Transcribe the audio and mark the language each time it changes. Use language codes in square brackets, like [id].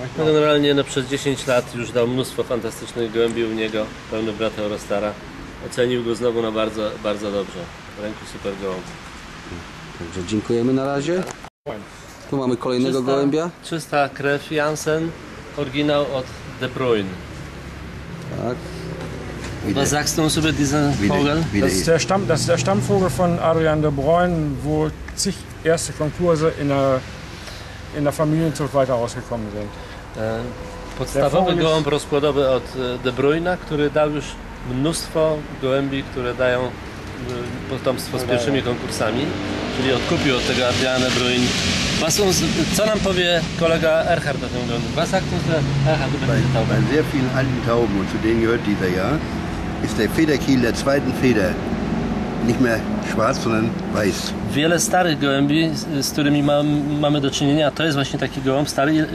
[pl] No generalnie przez 10 lat już dał mnóstwo fantastycznych gołębi u niego, pełny brat Eurostara. Ocenił go znowu na bardzo, bardzo dobrze. W ręku super gołąb. Także dziękujemy na razie. Tu mamy kolejnego gołębia. Czysta krew Jansen, oryginał od De Bruyne. Tak. [de] Was sagst du uns über diesen Vogel? Das ist der Stammvogel von Adrien De Bruyne, wo zig erste Konkurse in der Familienzucht weiter rausgekommen sind. [pl] Podstawowy gołąb rozkładowy od De Bruyne, który dał już mnóstwo gołębi, które dają potomstwo z pierwszymi konkursami, czyli odkupił od tego Adrien De Bruyne. Co nam powie kolega Erhard o tym gołębiu? [de] Was sagt uns Erhard über diese Taube? Bei sehr vielen alten Tauben, und zu denen gehört dieser ja, ist der Federkiel der zweiten Feder nicht mehr schwarz, sondern weiß. [pl] Wiele starych gołębi, z którymi mamy do czynienia, to jest właśnie taki gołąb stary.